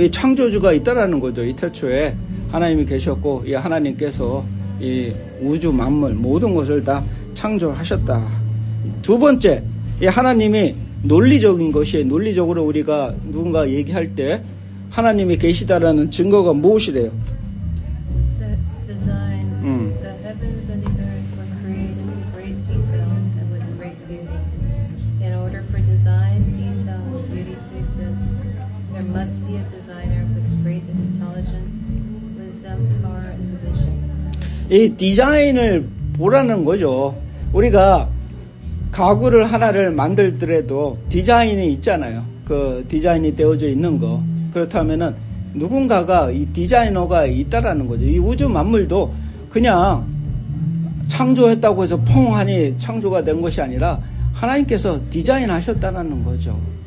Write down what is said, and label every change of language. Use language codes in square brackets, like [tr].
[ko] 이 창조주가 있다라는 거죠. 이 태초에 하나님이 계셨고 이 하나님께서 이 우주 만물 모든 것을 다 창조하셨다. 두 번째, 이 하나님이 논리적인 것이에요. 논리적으로 우리가 누군가 얘기할 때 하나님이 계시다라는 증거가 무엇이래요? [en] The design, the heavens and the earth were created with great detail and with great beauty. In order for design, detail, and beauty to exist, there must be a designer with great intelligence, wisdom, power, and vision. [ko] 이 디자인을 보라는 거죠. 우리가 가구를 하나를 만들더라도 디자인이 있잖아요. 그 디자인이 되어져 있는 거. 그렇다면은 누군가가 이 디자이너가 있다라는 거죠. 이 우주 만물도 그냥 창조했다고 해서 퐁하니 창조가 된 것이 아니라 하나님께서 디자인하셨다라는 거죠.